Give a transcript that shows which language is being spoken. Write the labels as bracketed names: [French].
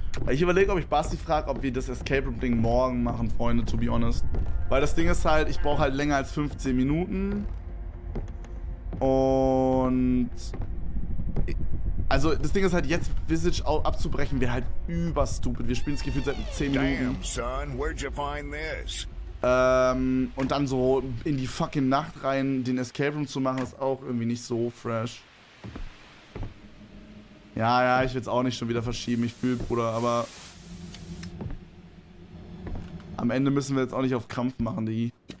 [German] Ich überlege, ob ich Basti frage, ob wir das Escape Room Ding morgen machen, Freunde, [English] to be honest. [German] Weil das Ding ist halt, ich brauche halt länger als 15 Minuten. Und... Also, das Ding ist halt, jetzt Visage abzubrechen, wäre halt überstupid. Wir spielen das Gefühl seit 10 Minuten. [English] Damn, son, where'd you find this? [German] Und dann so in die fucking Nacht rein, den Escape Room zu machen, ist auch irgendwie nicht so fresh. Ja, ja, ich will's auch nicht schon wieder verschieben, ich fühl, Bruder, aber... Am Ende müssen wir jetzt auch nicht auf Krampf machen, Digi.